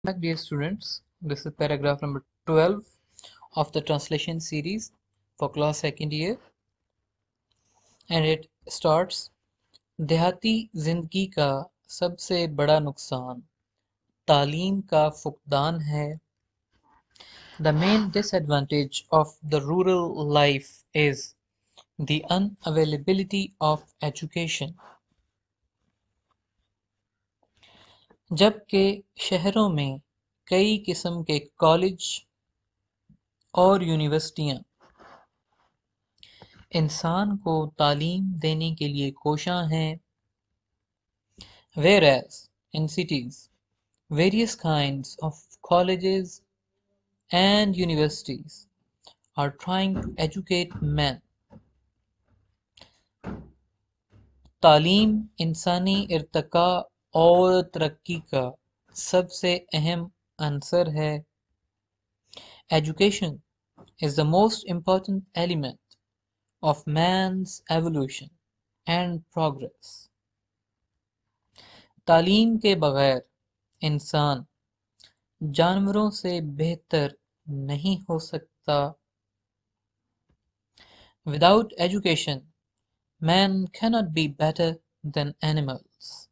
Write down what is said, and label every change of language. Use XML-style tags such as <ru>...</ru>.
<en>Back, dear students, this is paragraph number 12 of the translation series for class second year, and it starts,</en> <ur>Dehati zindagi ka sabse bada nuksan, taleem ka fukdan hai.</ur> <en>The main disadvantage of the rural life is the unavailability of education.</en> <ur>جبکہ شہروں میں کئی قسم کے college اور یونیورسٹیاں انسان کو تعلیم دینے کے لیے کوشاں ہیں.</ur> <en>Whereas in cities various kinds of colleges and universities are trying to educate men.</en> <ur>تعلیم انسانی ارتقاء اور ترقی کا سب سے اہم عنصر ہے.</ur> <en>Education is the most important element of man's evolution and progress.</en> <ur>تعلیم کے بغیر انسان جانوروں سے بہتر نہیں ہو سکتا.</ur> <en>Without education man can not be better than animals.</en>